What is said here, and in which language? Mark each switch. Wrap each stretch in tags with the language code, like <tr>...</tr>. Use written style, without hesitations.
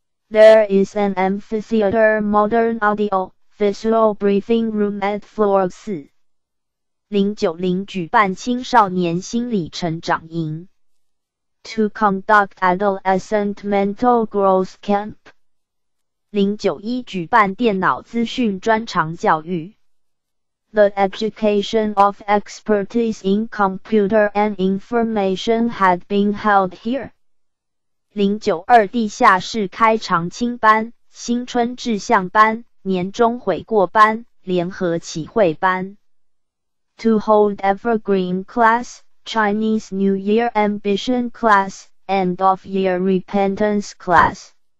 <en>There is an amphitheater modern audio, visual briefing room at floor 4.090</en> <zh>举办青少年心理成长营。</zh> <en>To conduct adolescent mental growth camp.</en> <zh>091举办电脑资讯专长教育。</zh> <en>The education of expertise in computer and information had been held here.</en> <zh>092地下室开长青班、新春志向班、年终悔过班、联合启慧班。</zh> <en>To hold evergreen class, Chinese New Year ambition class, end of year repentance class.</en>